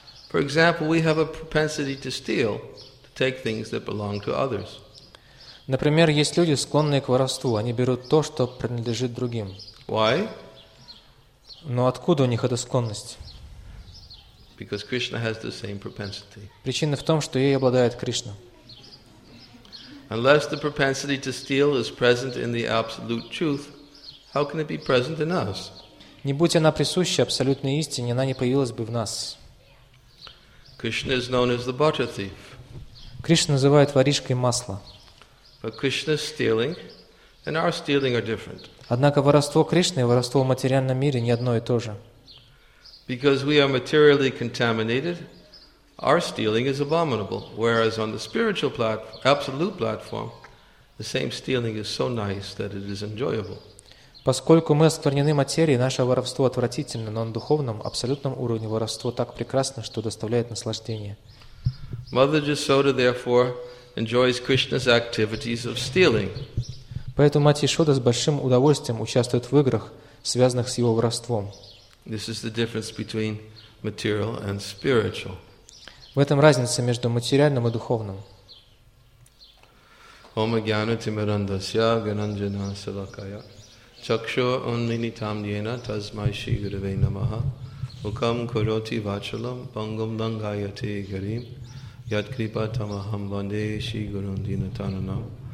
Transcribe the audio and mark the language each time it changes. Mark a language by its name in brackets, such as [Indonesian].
[English] For example, we have a propensity to steal, to take things that belong to others. [Russian] Например, есть люди, склонные к воровству. Они берут то, что принадлежит другим. [English] Why? [Russian] Но откуда у них эта склонность? [English] Because Krishna has the same propensity. [Russian] Причина в том, что ей обладает Кришна. [English] Unless the propensity to steal is present in the absolute truth, how can it be present in us? [Russian] Не будь она присущей абсолютной истине, она не появилась бы в нас. [English] Krishna is known as the butter thief. [Russian] Кришна называют воришкой масла. [English] But Krishna's stealing and our stealing are different. [Russian] Однако воровство Кришны и воровство в материальном мире не одно и то же. [English] Because we are materially contaminated, our stealing is abominable, whereas on the spiritual platform, absolute platform, the same stealing is so nice that it is enjoyable. [Russian] Поскольку мы осквернены материей, наше воровство отвратительно, но на духовном, абсолютном уровне воровство так прекрасно, что доставляет наслаждение. [English] Mother Jasoda, therefore, enjoys Krishna's activities of stealing. [Russian] Поэтому мать Ишода с большим удовольствием участвует в играх, связанных с его воровством. [English] This is the difference between material and spiritual. [Russian] В этом разница между материальным и духовным. [Sanskrit] Ом агьяна тимирандасья гананджана салакая чакшу унминитам йена тасмай шри гуравей намаха мукам куроти вачалам пангам дангаяте гарим яд крипа тамахам ванде шри гурун динатананам